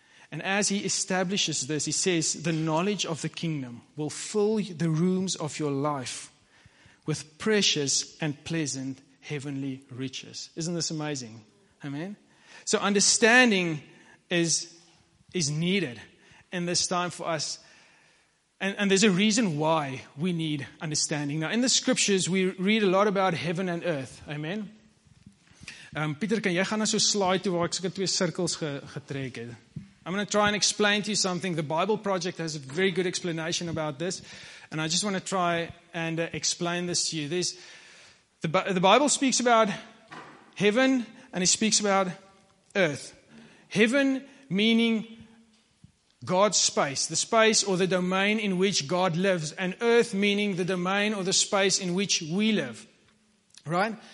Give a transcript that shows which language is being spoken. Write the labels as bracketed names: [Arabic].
[English] And as he establishes this, he says, the knowledge of the kingdom will fill the rooms of your life with precious and pleasant heavenly riches. Isn't this amazing? Amen? So understanding is needed in this time for us. And there's a reason why we need understanding. Now, in the scriptures, we read a lot about heaven and earth. Amen? [Afrikaans] Pieter, kan jy gaan na so slide toe waar ek twee cirkels getrek het? [English] I'm going to try and explain to you something. The Bible Project has a very good explanation about this. And I just want to try and explain this to you. The Bible speaks about heaven and it speaks about earth. Heaven meaning God's space, the space or the domain in which God lives, and earth meaning the domain or the space in which we live, right?